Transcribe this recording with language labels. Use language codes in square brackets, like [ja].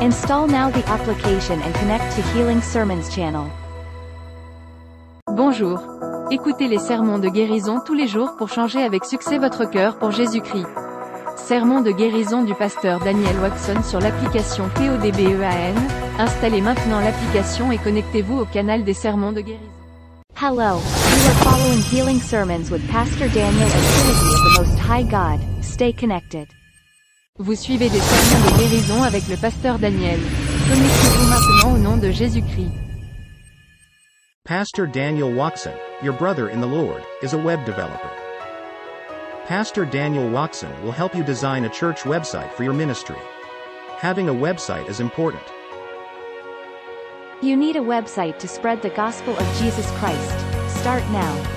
[en] Install now the application and connect to Healing Sermons channel. [fr] Bonjour. Écoutez les sermons de guérison tous les jours pour changer avec succès votre cœur pour Jésus-Christ. Sermon de guérison du pasteur Daniel Wauksen sur l'application PODBEAN. Installez maintenant l'application et connectez-vous au canal des sermons de guérison. [en] Hello, you are following Healing Sermons with Pastor Daniel and Trinity of the Most High God. Stay connected. [fr] Vous suivez des sermons de guérison avec le pasteur Daniel. Connectez-vous maintenant au nom de Jésus-Christ. [en] Pastor Daniel Wauksen, your brother in the Lord, is a web developer. Pastor Daniel Wauksen will help you design a church website for your ministry. Having a website is important. You need a website to spread the gospel of Jesus Christ. Start now.